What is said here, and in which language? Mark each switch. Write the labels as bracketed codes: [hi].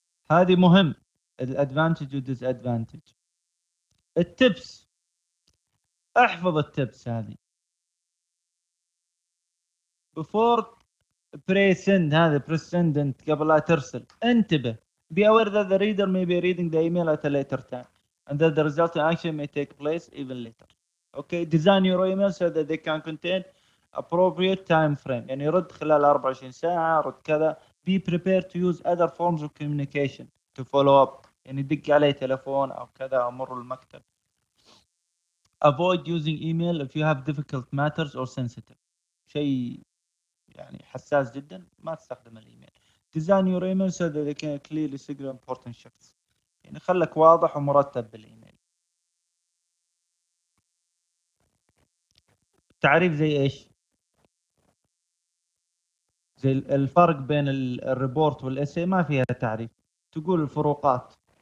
[ar] هذه مهم، الأدفانتج والديسأدفانتج. التبس، احفظ التبس هذه بفور بريسند، هذا بريسندنت قبل لا ترسل. [en] انتبه، be aware that the reader may be reading the email at a later time and that the resulting action may take place even later. Okay, design your email so that they can contain appropriate time frame. [ar] يعني رد خلال 24 ساعة، رد كذا. [en] Be prepared to use other forms of communication to follow up. [ar] يعني دق عليه تلفون أو كذا، أمر المكتب. [en] Avoid using email if you have difficult matters or sensitive. [ar] شيء يعني حساس جدا ما تستخدم الإيميل. [en] Design your email so that they can clearly signal important shifts. [ar] يعني خلك واضح ومرتب بالإيميل. تعريف زي إيش؟ زي الفرق بين الريبورت والإسي ما فيها تعريف. تقول الفروقات.